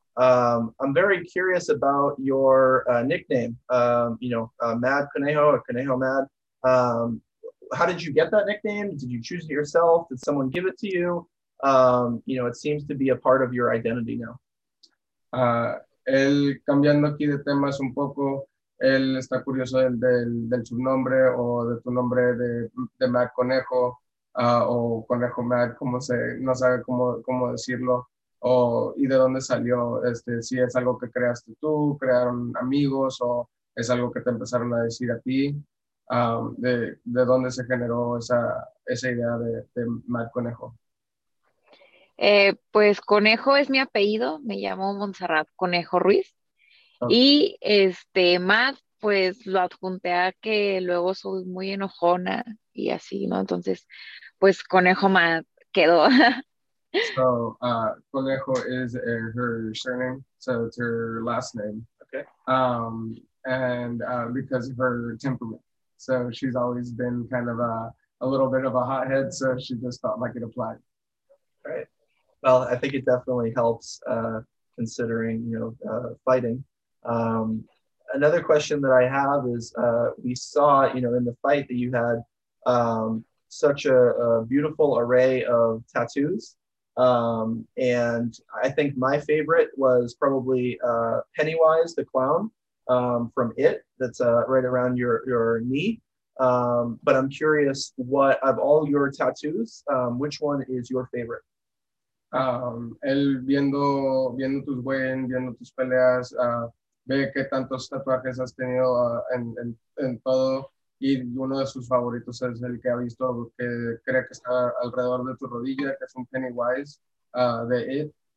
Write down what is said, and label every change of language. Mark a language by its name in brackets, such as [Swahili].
[English] I'm very curious about your nickname. Mad Conejo or Conejo Mad. How did you get that nickname? Did you choose it yourself? Did someone give it to you? It seems to be a part of your identity now. [Spanish] Él cambiando aquí de temas un poco, él está curioso del subnombre o de tu nombre de Mad Conejo o Conejo Mad, como se, no sabe cómo decirlo, y de dónde salió, si es algo que creaste tú, crearon amigos o es algo que te empezaron a decir a ti, de dónde se generó esa idea de Mad Conejo. Pues Conejo es mi apellido, me llamo Montserrat Conejo Ruiz y Mad, pues lo adjunté a que luego soy muy enojona y así, ¿no? Entonces, pues Conejo Mad quedó. [English] So, Conejo is her surname, so it's her last name. And because of her temperament, so she's always been kind of a little bit of a hothead, so she just felt like it applied. Right. Well, I think it definitely helps considering, fighting. Another question that I have is we saw, in the fight that you had such a beautiful array of tattoos. And I think my favorite was probably Pennywise the clown from It, that's right around your knee. But I'm curious what of all your tattoos, which one is your favorite? [Spanish] Él viendo tus wins, viendo tus peleas, ve qué tantos tatuajes has tenido en todo y uno de sus favoritos es el que ha visto que cree que está alrededor de tu rodilla, que es un Pennywise de It.